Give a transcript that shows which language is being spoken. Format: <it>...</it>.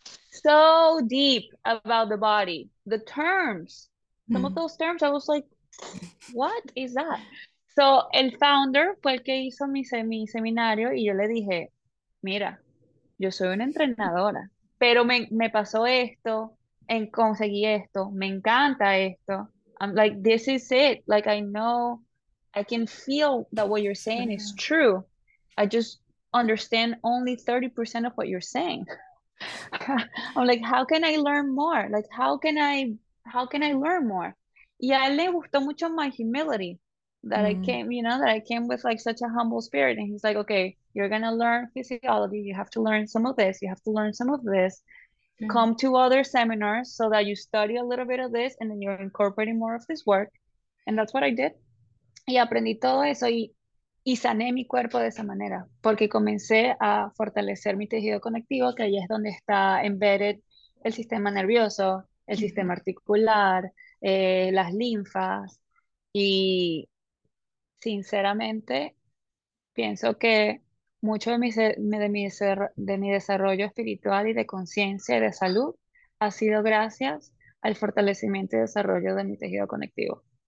<en>So deep about the body, the terms, some of those terms, I was like, what is that?</en> <es>So, el founder fue el que hizo mi seminario y yo le dije, mira, yo soy una entrenadora, pero me pasó esto, conseguí esto, me encanta esto.</es> <en>I'm like, this is it. Like, I know, I can feel that what you're saying is true. I just understand only 30% of what you're saying. I'm like, how can I learn more? Like, how can I learn more?</en> <es>Y a él le gustó mucho</es> <en>my humility, that I came with like such a humble spirit. And he's like, okay, you're gonna learn physiology. You have to learn some of this. You have to learn some of this. Come to other seminars so that you study a little bit of this and then you're incorporating more of this work. And that's what I did.</en> <es>Y aprendí todo eso y sané mi cuerpo de esa manera, porque comencé a fortalecer mi tejido conectivo, que ahí es donde está embedded el sistema nervioso, el sistema articular, las linfas. Y sinceramente, pienso que mucho de mi desarrollo espiritual y de conciencia y de salud ha sido gracias al fortalecimiento y desarrollo de mi tejido conectivo.</es>